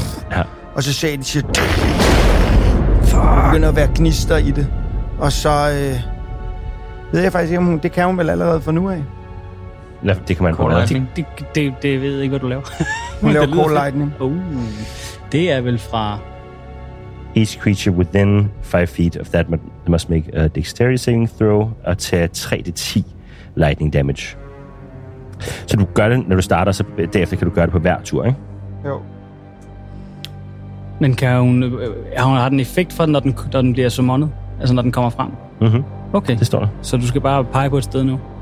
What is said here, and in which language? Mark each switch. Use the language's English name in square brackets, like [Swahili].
[Danish] Ja. Og så ser I, de siger... begynder at være gnister i det. Og så ved jeg faktisk ikke, om hun, det kan hun vel allerede fra nu af. Ja, det kan man prøve. Det ved jeg ikke, hvad du laver. Hun laver cold lightning. Det er vel fra... [English] Each creature within 5 feet of that must make a dexterity saving throw [Danish] og tage [English] 3d10 lightning damage. [Danish] Så du gør det, når du starter, så derefter kan du gøre det på hver tur, ikke? Jo. Men kan hun... Har den effekt for den, når den bliver summonet? Altså når den kommer frem? Mhm. Okay. Det står der. Så du skal bare pege på et sted nu?